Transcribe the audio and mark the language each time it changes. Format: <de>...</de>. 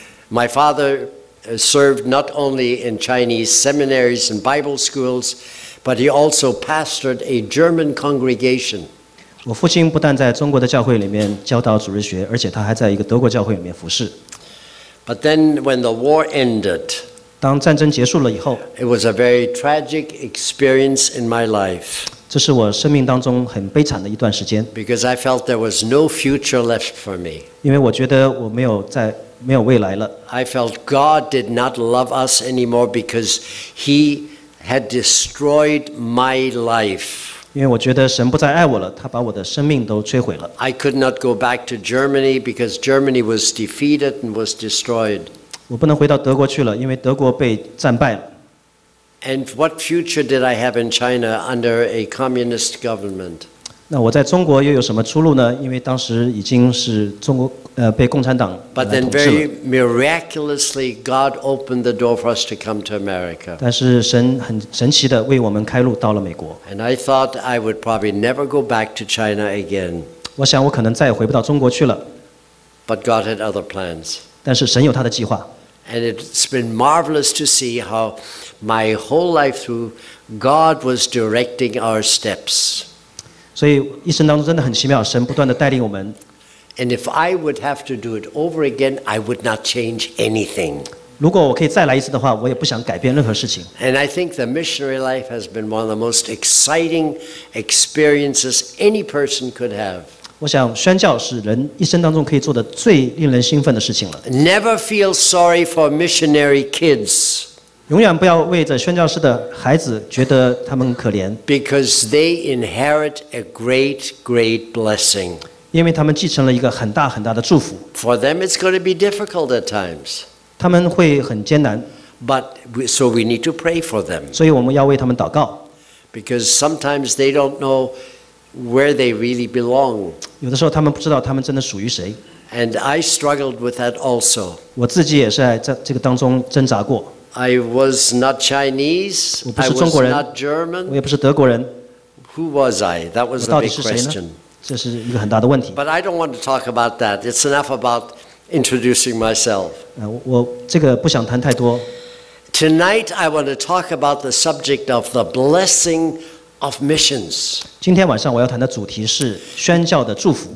<en>My father served not only in Chinese seminaries and Bible schools. But he also pastored a German congregation.</en> <zh>我父亲不但在中国的教会里面教导主日学，而且他还在一个德国教会里面服侍。</zh> <en>But then, when the war ended,</en> <zh>当战争结束了以后</zh> <en>，it was a very tragic experience in my life.</en> <zh>这是我生命当中很悲惨的一段时间。</zh> <en>Because I felt there was no future left for me.</en> <zh>因为我觉得我没有未来了。</zh> <en>I felt God did not love us anymore because He. Had destroyed my life.</en> <zh>因为我觉得神不再爱我了，他把我的生命都摧毁了。</zh> <en>I could not go back to Germany because Germany was defeated and was destroyed.</en> <zh>我不能回到德国去了，因为德国被战败了。</zh> <en>And what future did I have in China under a communist government?</en> <zh>那我在中国又有什么出路呢？因为当时已经是中国被共产党来统治了。</zh> <en>But then very miraculously, God opened the door for us to come to America.</en> <zh>但是神很神奇的为我们开路到了美国。</zh> <en>And I thought I would probably never go back to China again.</en> <zh>我想我可能再也回不到中国去了。</zh> <en>But God had other plans.</en> <zh>但是神有他的计划。</zh> <en>And it's been marvelous to see how my whole life through God was directing our steps.</en> <zh>所以一生当中真的很奇妙，神不断的带领我们。</zh> <en>And if I would have to do it over again, I would not change anything.</en> <zh>如果我可以再来一次的话，我也不想改变任何事情。</zh> <en>And I think the missionary life has been one of the most exciting experiences any person could have.</en> <zh>我想宣教是人一生当中可以做的最令人兴奋的事情了。</zh> <en>Never feel sorry for missionary kids.</en> <zh>永远不要为着宣教士的孩子觉得他们可怜。</zh> <en>Because they inherit a great, great blessing.</en> <zh>因为他们继承了一个很大很大的祝福。</zh> <en>For them, it's going to be difficult at times.</en> <zh>他们会很艰难。</zh> <en>But so we need to pray for them.</en> <zh>所以我们要为他们祷告。</zh> <en>Because sometimes they don't know where they really belong.</en> <zh>有的时候他们不知道他们真的属于谁。</zh> <en>And I struggled with that also.</en> <zh>我自己也是在这个当中挣扎过。</zh> <en>I was not Chinese.</en> <zh>我不是中国人。</zh> <en>I was not German.</en> <zh>我也不是德国人。</zh> <en>Who was I? That was a big question.</en> <zh>这是一个很大的问题。</zh> <en>But I don't want to talk about that. It's enough about introducing myself.</en> <zh>我这个不想谈太多。</zh> <en>Tonight I want to talk about the subject of the blessing of missions.</en> <zh>今天晚上我要谈的主题是宣教的祝福。</zh>